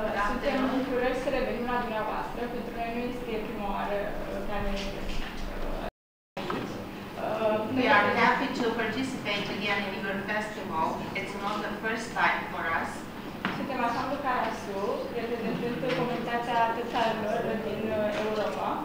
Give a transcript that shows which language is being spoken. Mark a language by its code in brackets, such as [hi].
[ro] Suntem bucuroși să revenim la dumneavoastră. Pentru noi nu este prima oară care [en] We are happy to participate again in your festival. It's not the first time for us. [ro] Suntem ansamblul Carasu, reprezentând comunitatea tătarilor din Europa.